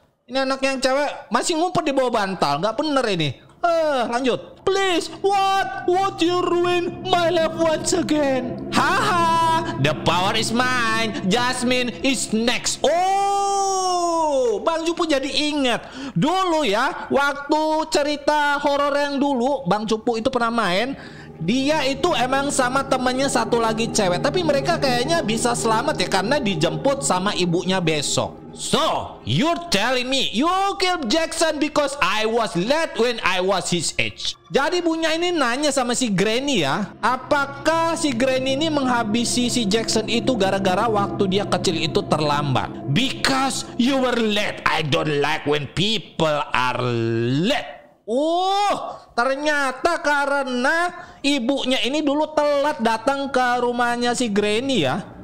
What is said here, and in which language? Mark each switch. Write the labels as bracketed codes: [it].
[id] Ini anak yang cewek masih ngumpet di bawah bantal. Gak bener ini. Lanjut. [en] "Please, what would you ruin my life once again?" "Haha, the power is mine. Jasmine is next." [id] Oh, Bang Cupu jadi ingat. Dulu ya, waktu cerita horor yang dulu Bang Cupu itu pernah main. Dia itu emang sama temannya satu lagi cewek. Tapi mereka kayaknya bisa selamat ya, karena dijemput sama ibunya besok. [en] "So, you're telling me you killed Jackson because I was late when I was his age." [id] Jadi ibunya ini nanya sama si Granny ya, apakah si Granny ini menghabisi si Jackson itu gara-gara waktu dia kecil itu terlambat. [en] "Because you were late. I don't like when people are late." [id] Ternyata karena ibunya ini dulu telat datang ke rumahnya si Granny ya.